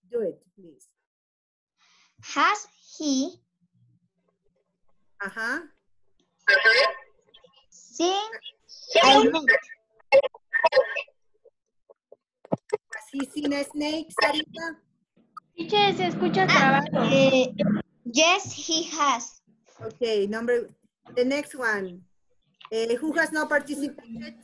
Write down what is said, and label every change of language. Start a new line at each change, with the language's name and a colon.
English: Do it, please. Has he? Seen a snake? Has he seen a snake, Sarita?
Spanish: Teacher, se escucha el trabajo.
English: Yes, he has. Okay, number, the next one. Who has not participated?